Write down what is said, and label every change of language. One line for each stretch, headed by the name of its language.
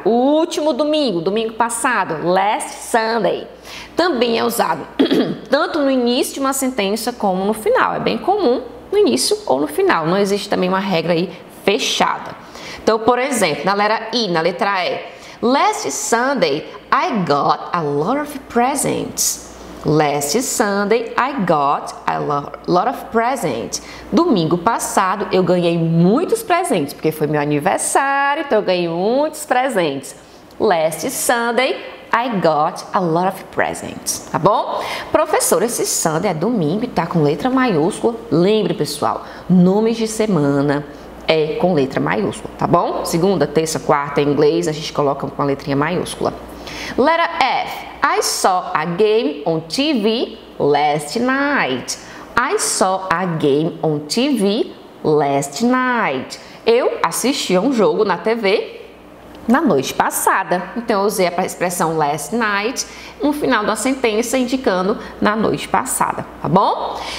Portuguese: O último domingo, domingo passado.
English: Last Sunday.
Portuguese: Também é usado tanto no início de uma sentença como no final. É bem comum. No início ou no final. Não existe também uma regra aí fechada. Então, por exemplo, na letra I, na letra E.
English: Last Sunday, I got a lot of presents. Last Sunday, I got a lot of presents.
Portuguese: Domingo passado, eu ganhei muitos presentes, porque foi meu aniversário, então eu ganhei muitos presentes.
English: Last Sunday, I got a lot of presents,
Portuguese: tá bom? Professor, esse Sunday é domingo e tá com letra maiúscula. Lembre, pessoal, nomes de semana é com letra maiúscula, tá bom? Segunda, terça, quarta, em inglês, a gente coloca com a letrinha maiúscula.
English: Letter F. I saw a game on TV last night. I saw a game on TV last night.
Portuguese: Eu assisti a um jogo na TV na noite passada. Então, eu usei a expressão last night no final da sentença, indicando na noite passada, tá bom?